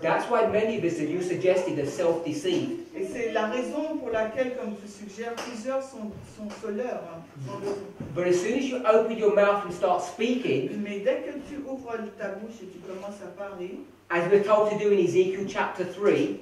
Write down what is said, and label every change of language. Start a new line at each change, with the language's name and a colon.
English: That's why many of us have you suggested are self-deceived.
French: Et c'est la raison pour laquelle, comme je suggère, plusieurs sont soleurs.
English: But as soon as you open your mouth and start speaking,
French: mais dès que tu ouvres ta bouche et tu commences à parler,
English: as we're told to do in Ezekiel chapter 3,